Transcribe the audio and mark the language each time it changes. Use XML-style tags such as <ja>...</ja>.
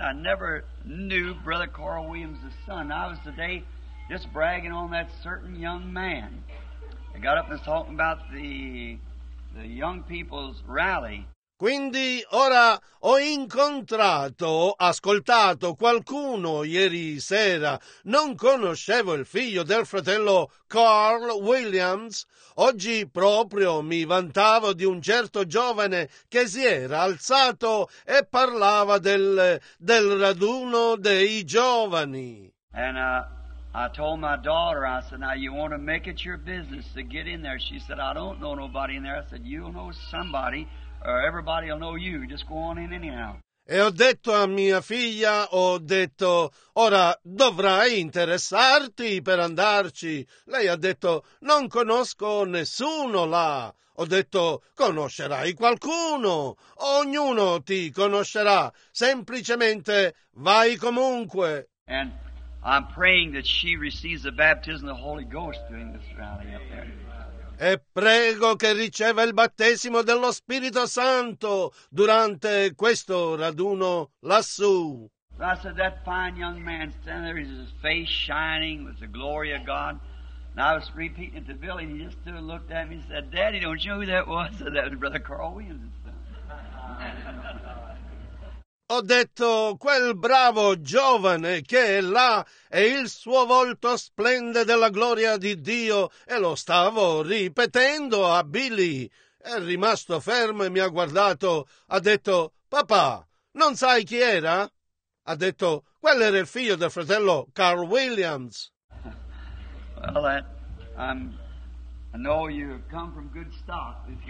<en>I never knew Brother Carl Williams' son. I was today just bragging on that certain young man. I got up and was talking about the young people's rally.</en> <it>Quindi ora ho incontrato, ascoltato qualcuno ieri sera. Non conoscevo il figlio del fratello Carl Williams. Oggi proprio mi vantavo di un certo giovane che si era alzato e parlava del raduno dei giovani.</it> <en>And I told my daughter, I said, now you want to make it your business to get in there. She said, I don't know nobody in there. I said, you know somebody. Everybody will know you. Just go on in anyhow.</en> <it>E ho detto a mia figlia, ho detto, ora dovrai interessarti per andarci. Lei ha detto, non conosco nessuno là. Ho detto, conoscerai qualcuno. Ognuno ti conoscerà. Semplicemente vai comunque.</it> <en>And I'm praying that she receives the baptism of the Holy Ghost during this rally up there.</en> <it>E prego che riceva il battesimo dello Spirito Santo durante questo raduno lassù.</it> <en>So I said, that fine young man standing there, his face shining with the glory of God. And I was repeating it to Billy, and he just stood and looked at me and said, Daddy, don't you know who that was? So that was Brother Carl Williams' son.</en> <it>Ho detto, quel bravo giovane che è là e il suo volto splende della gloria di Dio, e lo stavo ripetendo a Billy. È rimasto fermo e mi ha guardato. Ha detto, papà, non sai chi era? Ha detto, quello era il figlio del fratello Carl Williams.</it> <en>Well, I know you come from good stock.</en>